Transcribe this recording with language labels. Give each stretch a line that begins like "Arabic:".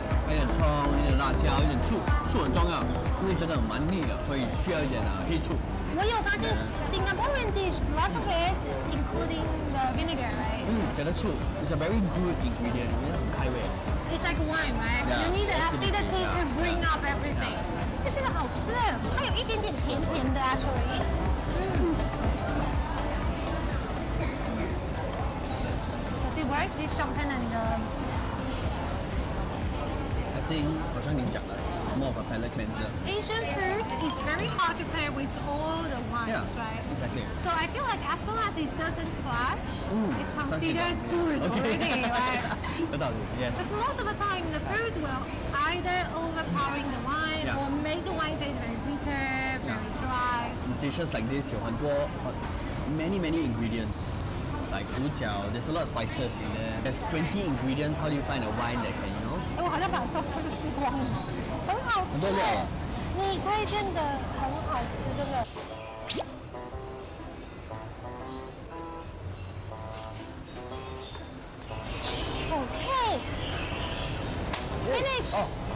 Chinese: 有点葱，有点辣椒，有点醋，醋很重要，因为觉得很蛮腻的，所以需要一点的黑醋。我有发现
English: Singaporean dish lots of it including the vinegar, right?
Chinese: 嗯，加的醋 ，
English: it's a very good ingredient，
Chinese: 因为很开胃。
English: It's like wine, right? Yeah, you need the acidity to bring up everything.
Chinese: 这个好吃，它有一点点甜甜的 actually。
English: Does it work? This champagne and the
Chinese: 好像你讲的
English: more of a palate cleanser. Asian food is very hard to pair with all the wines, yeah, right? Exactly. So I feel like as long as it doesn't clash, it's considered good already, right? Yes. Because most of the time the food will either overpowering the wine or make the wine taste very bitter, very dry. Dishes like this
Chinese: 有很多
English: many ingredients. Like 猪脚 there's a lot of spices in there. There's 20 ingredients. How do you find a wine that can, you know?
Chinese: 哎，我好像把豆豉都吃光了，很好吃。很多你推荐的很好吃，真的。
English: Okay. Finish. 哦，